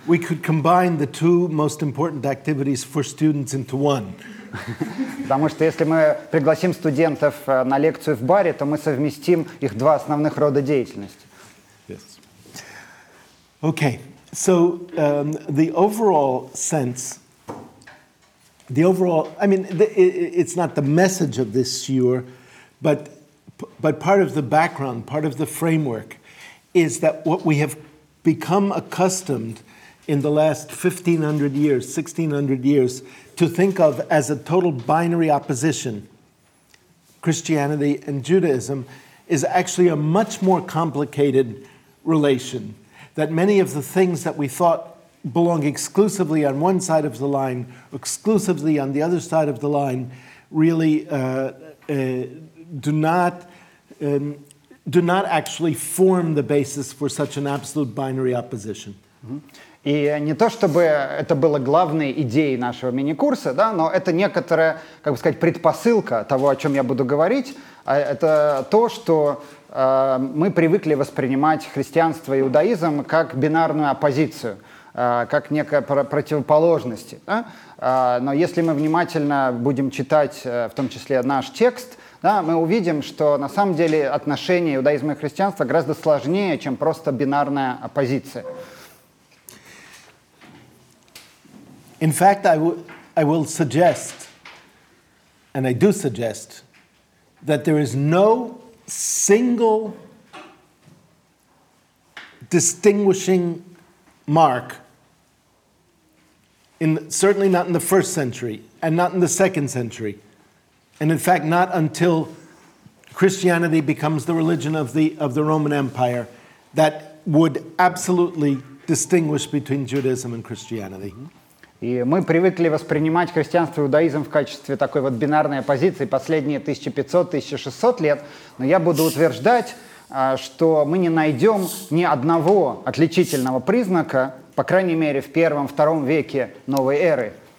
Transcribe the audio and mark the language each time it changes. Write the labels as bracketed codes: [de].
[en] we could combine the two most important activities for students into one. [ru] Потому что если мы пригласим студентов на лекцию в баре, то мы совместим их два основных рода деятельности. [en] Yes. Okay. So the overall sense. It's not the message of this shiur, but part of the background, part of the framework, is that what we have become accustomed in the last 1,500 years, 1,600 years, to think of as a total binary opposition, Christianity and Judaism, is actually a much more complicated relation, that many of the things that we thought belong exclusively on one side of the line, exclusively on the other side of the line, really do not actually form the basis for such an absolute binary opposition. [ru] И не то чтобы это было главной идеей нашего мини-курса, да, но это некоторая, как бы сказать, предпосылка того, о чем я буду говорить. Это то, что мы привыкли воспринимать христианство и иудаизм как бинарную оппозицию. Как некая противоположность. Да? Но если мы внимательно будем читать, в том числе, наш текст, да, мы увидим, что на самом деле отношения иудаизма и христианства гораздо сложнее, чем просто бинарная оппозиция. [en] In fact, I will suggest, and I do suggest, that there is no single distinguishing mark certainly not in the first century, and not in the second century, and in fact not until Christianity becomes the religion of the Roman Empire, that would absolutely distinguish between Judaism and Christianity. [ru] И мы привыкли воспринимать христианство и иудаизм в качестве такой вот бинарной оппозиции последние 1500-1600 лет, но я буду утверждать, что мы не найдем ни одного отличительного признака, по крайней мере, в первом-втором веке новой эры.